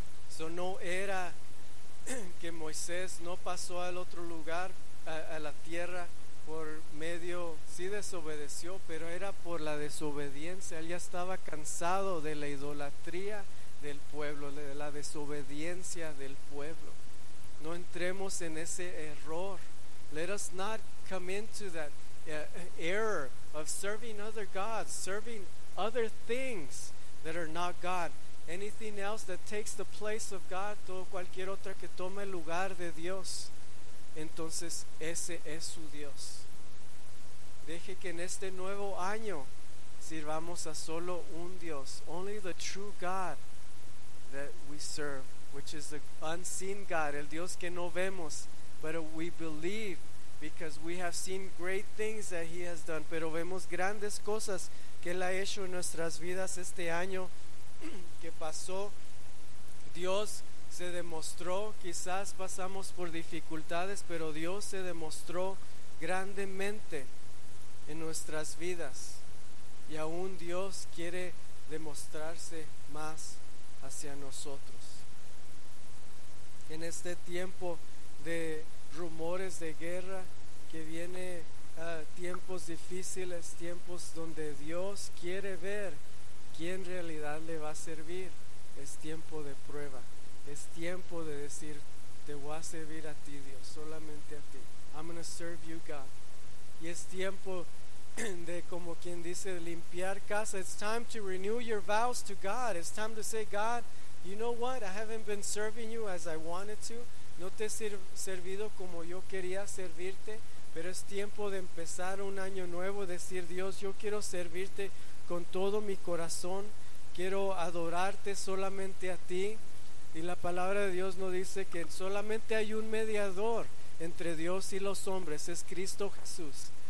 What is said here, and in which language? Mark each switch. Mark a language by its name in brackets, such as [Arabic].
[Spanish] Eso no era que Moisés no pasó al otro lugar, a la tierra, por medio, sí desobedeció, pero era por la desobediencia. Él ya estaba cansado de la idolatría del pueblo, de la desobediencia del pueblo. No entremos en ese error. [English] Let us not come into that error of serving other gods, serving other things that are not God. Anything else that takes the place of God, [Spanish] todo cualquier otra que tome el lugar de Dios, entonces ese es su Dios. Deje que en este nuevo año sirvamos a solo un Dios. [English] Only the true God that we serve, which is the unseen God, [Spanish] el Dios que no vemos, [English] but we believe because we have seen great things that He has done. [Spanish] Pero vemos grandes cosas que Él ha hecho en nuestras vidas este año que pasó. Dios se demostró. Quizás pasamos por dificultades, pero Dios se demostró grandemente en nuestras vidas. Y aún Dios quiere demostrarse más hacia nosotros. En este tiempo de rumores de guerra, que viene tiempos difíciles, tiempos donde Dios quiere ver quién realidad le va a servir, es tiempo de prueba. Es tiempo de decir, te voy a servir a ti, Dios, solamente a ti. [English] I'm going to serve you, God. [Spanish] Y es tiempo de, como quien dice, limpiar casa. [English] It's time to renew your vows to God. It's time to say, God, you know what? I haven't been serving you as I wanted to. [Spanish] No te he servido como yo quería servirte, pero es tiempo de empezar un año nuevo, decir, Dios, yo quiero servirte con todo mi corazón, quiero adorarte solamente a ti. Y la palabra de Dios nos dice que solamente hay un mediador entre Dios y los hombres, es Cristo Jesús.